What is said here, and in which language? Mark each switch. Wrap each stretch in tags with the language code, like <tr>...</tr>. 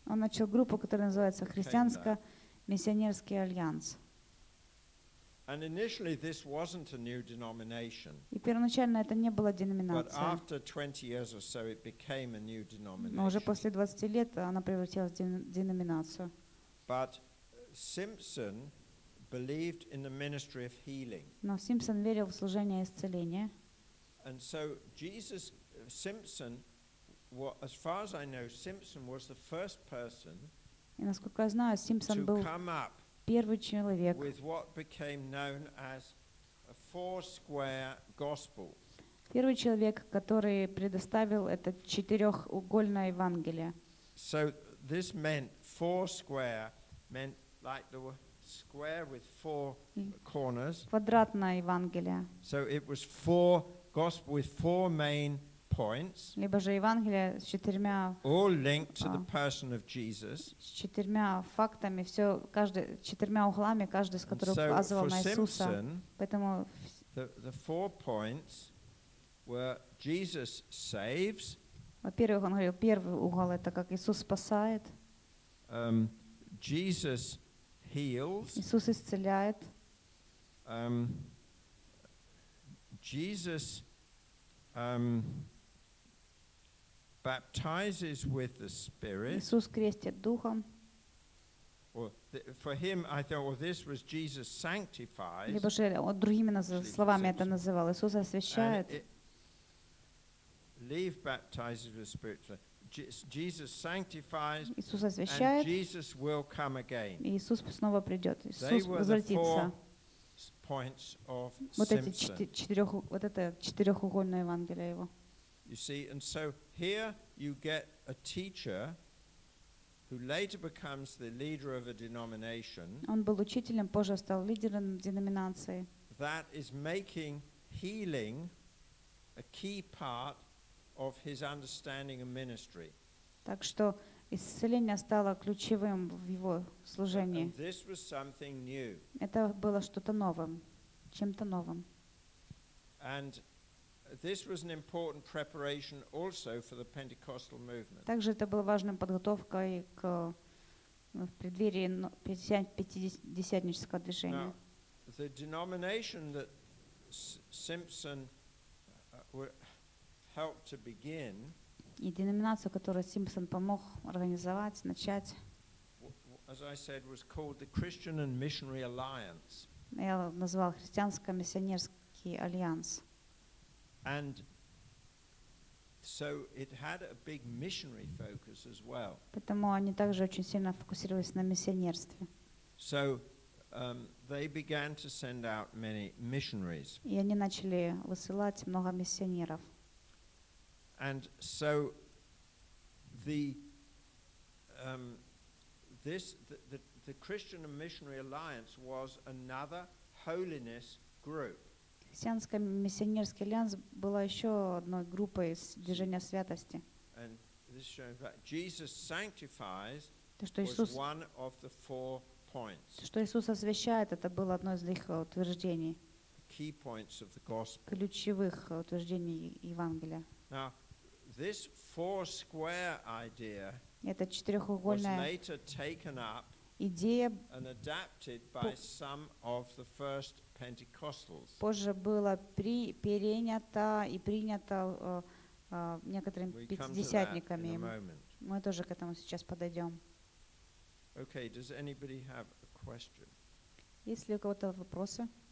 <ru>Он начал группу, которая называется Христианско-миссионерский альянс.</ru> <en>And initially this wasn't a new denomination.</en> <ru>И первоначально это не была деноминация.</ru> <en>But after 20 years or so it became a new denomination.</en> <ru>Но уже после 20 лет она превратилась в деноминацию.</ru> <en>But Simpson believed in the ministry of healing.</en> <ru>Но Симпсон верил в служение исцеления.</ru> <en>And so Jesus Simpson Well, as far as I know, Simpson was the first person to come up with what became known as a four-square gospel.</en> <ru>Первый человек, который предоставил это четырехугольное Евангелие.</ru> <en>So this meant four square meant like there were square with four corners.</en> <ru>Квадратное Евангелие.</ru> <en>So it was four gospel with four main points.</en> <ru>Либо же Евангелие с четырьмя.</ru> <en>All linked to the person of Jesus.</en> <ru>С четырьмя фактами, все каждый четырьмя углами, каждый из которых указывал на Иисуса. Поэтому</ru> <en>the four points were Jesus saves.</en> <ru>Во-первых, он говорил, первый угол это как Иисус спасает.</ru> <en>Jesus heals.</en> <ru>Иисус исцеляет.</ru> <en>Jesus baptizes with the Spirit.</en> <ru>Иисус крестит духом.</ru> <en>For him, I thought, well, this was Jesus sanctifies.</en> <ru>Либо же другими словами это называл. Иисус освящает.</ru> <en>Leave baptizes with the Spirit. Jesus sanctifies.</en> <ru>Иисус освящает.</ru> <en>And Jesus will come again.</en> <ru>Иисус снова придет. Иисус возвратится.</ru> <en>They were the four points of Simpson.</en> <ru>Вот эти четырех, вот это четырехугольное Евангелие его.</ru> <en>You see, and so here you get a teacher who later becomes the leader of a denomination.</en> <ru>Он был учителем, позже стал лидером деноминации.</ru> <en>That is making healing a key part of his understanding and ministry.</en> <ru>Так что исцеление стало ключевым в его служении.</ru> <en>And this was something new.</en> <ru>Это было что-то новым, чем-то новым.</ru> <en>And this was an important preparation also for the Pentecostal movement.</en> <ru>Также это было важным подготовкой к в преддверии пятидесятнического движения.</ru> <en>The denomination that Simpson helped to begin.</en> <ru>И деноминацию, которую Симпсон помог организовать, начать.</ru> <en>As I said, was called the Christian and Missionary Alliance.</en> <ru>Я назвал христианско-миссионерский альянс.</ru> <en>And so it had a big missionary focus as well.</en> <ru>Поэтому они также очень сильно фокусировались на миссионерстве.</ru> <en>So they began to send out many missionaries.</en> <ru>И они начали высылать много миссионеров.</ru> <en>And so the the Christian and Missionary Alliance was another holiness group.</en> <ru>Христианский миссионерский альянс была еще одной группой из движения святости.</ru> <en>And this shows that Jesus sanctifies was one of the four points.</en> <ru>Что Иисус освящает, это было одно из их утверждений.</ru> <en>Key points of the gospel.</en> <ru>Ключевых утверждений Евангелия.</ru> <en>Now, this four square idea was later taken up and adapted by some of the first Pentecostals.</en> <ru>Позже было перенято и принято некоторыми пятидесятниками. Мы тоже к этому сейчас подойдем.</ru> <en>Okay, does anybody have a question?</en> <ru>Есть ли у кого-то вопросы?</ru>